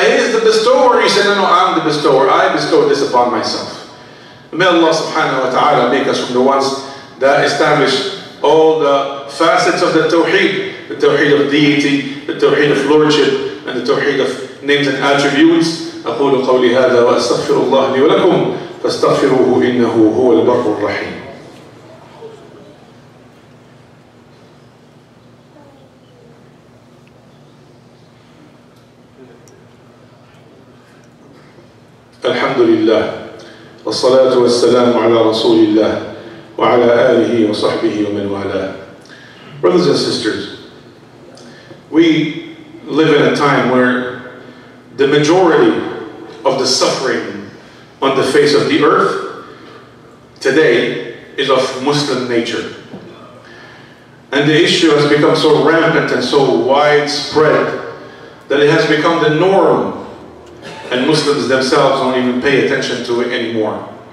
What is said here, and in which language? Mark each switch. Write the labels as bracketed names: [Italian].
[English] He is the bestower. You say, no, I'm the bestower. I bestow this upon myself. May Allah subhanahu wa ta'ala make us from the ones that establish all the facets of the tawheed of deity, the tawheed of lordship, and the tawheed of names and attributes. [Arabic] أقول قولي هذا وأستغفر الله لي ولكم فاستغفروه إنه هو البر الرحيم. الحمد لله والصلاة والسلام على رسول الله وعلى آله وصحبه ومن والاه. [English] Brothers and sisters, we live in a time where the majority of the suffering on the face of the earth today is of Muslim nature. And the issue has become so rampant and so widespread that it has become the norm, and Muslims themselves don't even pay attention to it anymore.